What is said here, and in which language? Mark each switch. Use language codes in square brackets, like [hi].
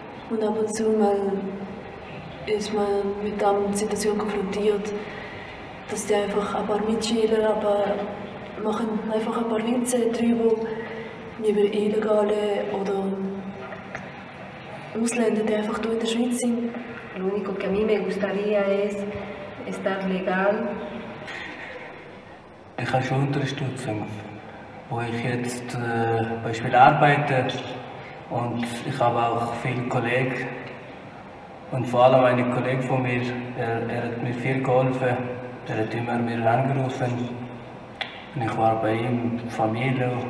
[de] Und ab und zu mal ist man mit der Situation konfrontiert, dass die einfach ein paar Mitschüler, aber machen einfach ein paar Witze drüber. Über Illegale oder Ausländer, die einfach hier in der Schweiz sind. [es] Lo único que a mí me gustaría es estar legal. [de] Ich habe schon Unterstützung, wo ich jetzt beispielsweise arbeite. Und ich habe auch viele Kollegen. Und vor allem ein Kollege von mir, er hat mir viel geholfen. Er hat immer mir angerufen. Ich war bei ihm, Familie.